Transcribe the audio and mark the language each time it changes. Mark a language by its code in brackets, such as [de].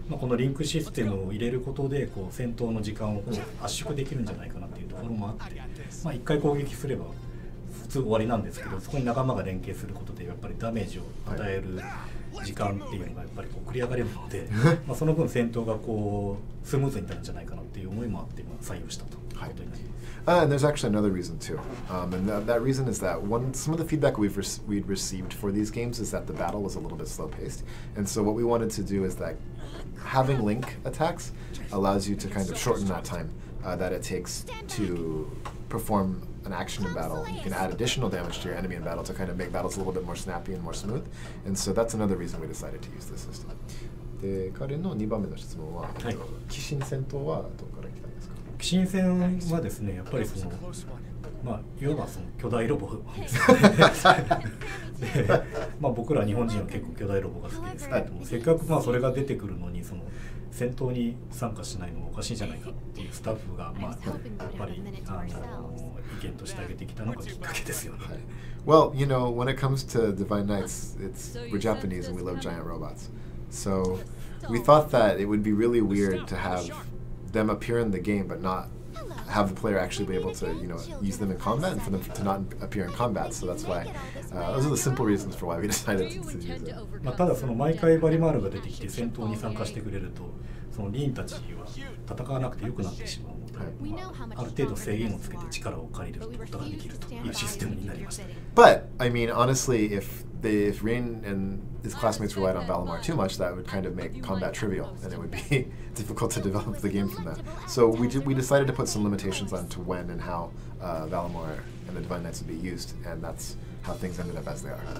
[ja] まあ、このリンクシステムを入れることでこう戦闘の時間をこう圧縮できるんじゃないかなっていうところもあって、まあ、1回攻撃すれば普通終わりなんですけど、そこに仲間が連携することでやっぱりダメージを与える、はい、時間っていうのがやっぱりこう繰り上がれるので、まあその分戦闘がこうスムーズになるんじゃないかなっていう思いもあって採用したということになります。 [en] And there's actually another reason too. And that reason is that some of the feedback we'd received for these games is that the battle was a little bit slow-paced. And so what we wanted to do is that having link attacks allows you to kind of shorten that time that it takes to perform an action in battle. You can add additional damage to your enemy in battle to kind of make battles a little bit more snappy and more smooth. And so that's another reason we decided to use this system. [ja] で、彼の2番目の質問は、鬼神戦闘はどこから来たんですか？鬼神戦はですね、やっぱりその、まあ、いわばその巨大ロボですね。で、まあ、僕ら日本人は結構巨大ロボが好きですけども、せっかくまあそれが出てくるのに、その戦闘に参加しないのもおかしいじゃないかっていうスタッフが、まあ、やっぱり意見としてあげてきたのがきっかけですよね。 [en] Well, you know, when it comes to Divine Knights, we're Japanese and we love giant robots. So we thought that it would be really weird to have them appear in the game but not have the player actually be able to, you know, use them in combat and for them to not appear in combat. So that's why, those are the simple reasons for why we decided to do that. [ja] まあ、ただその毎回バリマールが出てきて戦闘に参加してくれるとそのリーンたちは戦わなくてよくなってしまうので、はい、まあ、ある程度制限をつけて力を借りることができるというシステムになりました。 [en] But I mean honestly if Rin and his classmates relied on Valimar too much, that would kind of make combat trivial, and it would be difficult to develop the game from that. So we decided to put some limitations on to when and how Valimar and the Divine Knights would be used, and that's how things ended up as they are.